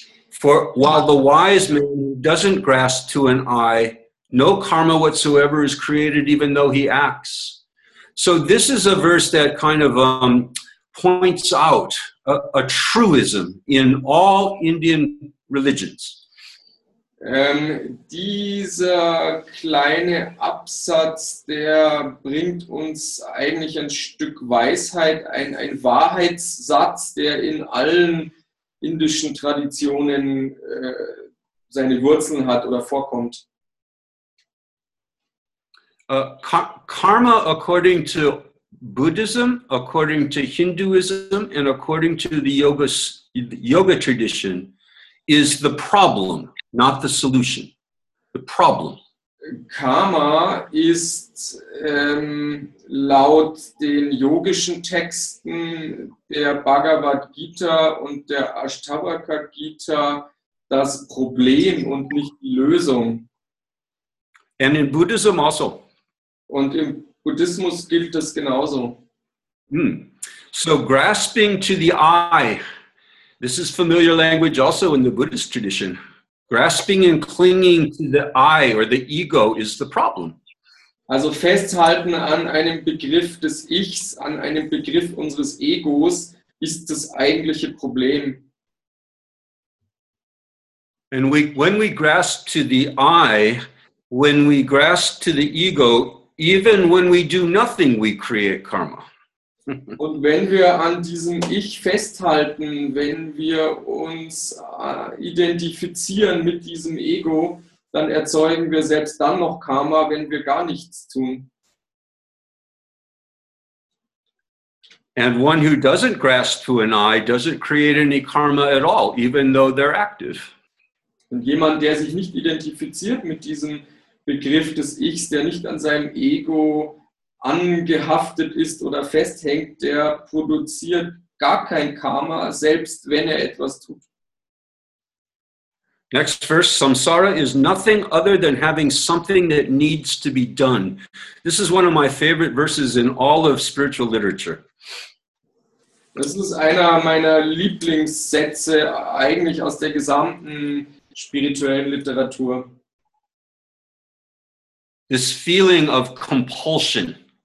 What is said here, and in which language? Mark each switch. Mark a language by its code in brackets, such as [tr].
[en] For while the wise man doesn't grasp to an I, no karma whatsoever is created even though he acts. So this is a verse that kind of points out a truism in all Indian religions. [de] Dieser kleine Absatz, der bringt uns eigentlich ein Stück Weisheit, ein Wahrheitssatz, der in allen indischen Traditionen seine Wurzeln hat oder vorkommt. [en] Karma according to Buddhism, according to Hinduism and according to the yoga tradition is the problem, not the solution. The problem. [de] Karma ist laut den yogischen Texten der Bhagavad Gita und der Ashtavaka Gita das Problem und nicht die Lösung. [en] And in Buddhism also. [de] Und im Buddhismus gilt das genauso. [en] So grasping to the I, this is familiar language also in the Buddhist tradition. Grasping and clinging to the I or the ego is the problem. [de] Also festhalten an einem Begriff des Ichs, an einem Begriff unseres Egos, ist das eigentliche Problem. [en] And when we grasp to the I, when we grasp to the ego, even when we do nothing, we create karma. [de] Und wenn wir an diesem Ich festhalten, wenn wir uns identifizieren mit diesem Ego, dann erzeugen wir selbst dann noch Karma, wenn wir gar nichts tun. [en] And one who doesn't grasp to an I doesn't create any karma at all, even though they're active. [de] Und jemand, der sich nicht identifiziert mit diesem Begriff des Ichs, der nicht an seinem Ego angehaftet ist oder festhängt, der produziert gar kein Karma, selbst wenn er etwas tut. [en] Next verse, Samsara is nothing other than having something that needs to be done. This is one of my favorite verses in all of spiritual literature. [de] Das ist einer meiner Lieblingssätze eigentlich aus der gesamten spirituellen Literatur. [en] This feeling of compulsion.